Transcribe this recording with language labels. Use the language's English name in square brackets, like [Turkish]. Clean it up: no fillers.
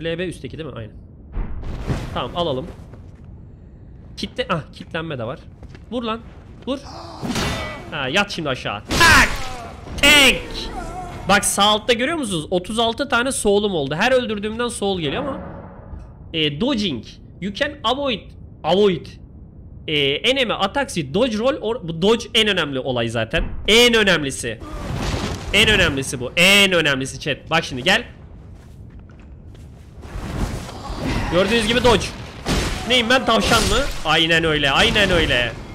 [Turkish] LB üstteki değil mi? Aynen. Tamam alalım. Kitlenme de var. Vur lan. Vur. Yat şimdi aşağı. Tak! Tek! Bak sağ altta görüyor musunuz? 36 tane soul'um oldu. Her öldürdüğümden soul geliyor ama. [English] Dodging. You can avoid. Enemy attacks with dodge roll or... [Turkish] Bu dodge en önemli olay zaten. En önemlisi. En önemlisi bu. En önemlisi chat. Bak şimdi gel. Gördüğünüz gibi dodge. Neyim ben tavşan mı? Aynen öyle.